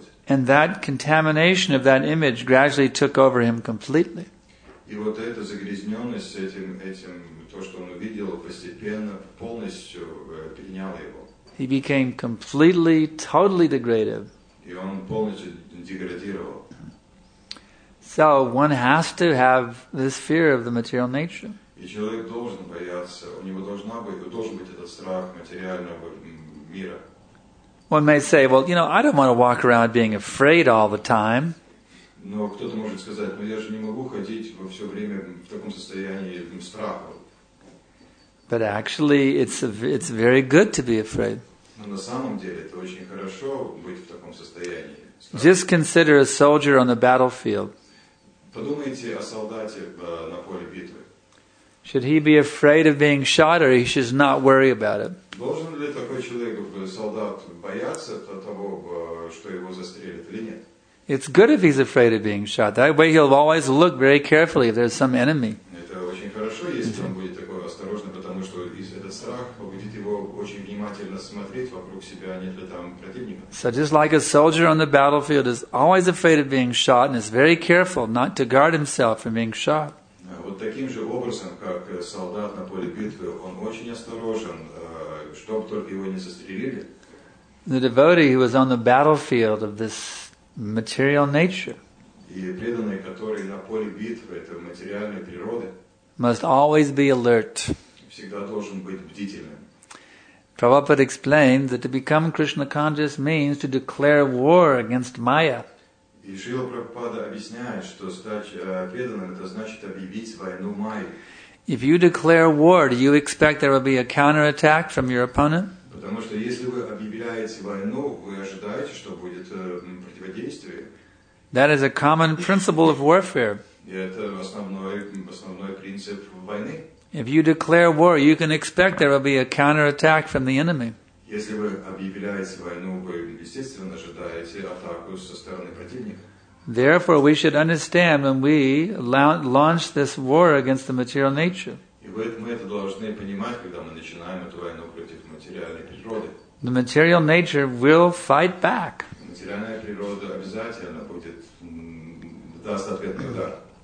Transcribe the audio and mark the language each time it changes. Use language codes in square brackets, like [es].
[en] And that contamination of that image gradually took over him completely. [ru] И вот эта загрязненность этим то, что он увидел, постепенно полностью переняла его. [en] He became completely, totally degraded. [ru] И он полностью деградировал. [en] So one has to have this fear of the material nature. [ru] И человек должен бояться, у него должен быть этот страх материального мира. [en] One may say, well, you know, I don't want to walk around being afraid all the time. [ru] Но кто-то может сказать, ну я же не могу ходить во все время в таком состоянии страха. [en] But actually it's very good to be afraid. [ru] Но на самом деле это очень хорошо быть в таком состоянии. [en] Just consider a soldier on the battlefield. [ru] Подумайте о солдате на поле битвы. [en] Should he be afraid of being shot, or he should not worry about it? [ru] Должен ли такой человек, солдат, бояться того, что его застрелят или нет? [en] It's good if he's afraid of being shot. That way he'll always look very carefully if there's some enemy. [ru] Это очень хорошо, если он будет такой осторожный, потому что этот страх будет его очень внимательно смотреть вокруг себя, нет ли там противника. [en] So just like a soldier on the battlefield is always afraid of being shot and is very careful not to guard himself from being shot. [ru] Вот таким же образом, как солдат на поле битвы, он очень осторожен, чтобы только его не застрелили. [en] The devotee who was on the battlefield of this material nature. [ru] И преданный, который на поле битвы, это материальной природы. [en] Must always be alert. [ru] Всегда должен быть бдительным. [en] Prabhupada explained that to become Krishna conscious means to declare war against Maya. [ru] И Шрила Прабхупада объясняет, что стать преданным это значит объявить войну Майе. [en] If you declare war, do you expect there will be a counterattack from your opponent? [ru] Потому что если вы объявляете войну, вы ожидаете, что будет противодействие. [en] That is a common principle of warfare. [ru] И это основной принцип войны. [en] If you declare war, you can expect there will be a counterattack from the enemy. [ru] Если вы объявляете войну, вы естественно ожидаете атаку со стороны противника. [en] Therefore, we should understand when we launch this war against the material nature. [ru] И мы это должны понимать, когда мы начинаем эту войну против материальной природы. [en] The material nature will fight back. [ru] Материальная природа обязательно будет даст ответный удар.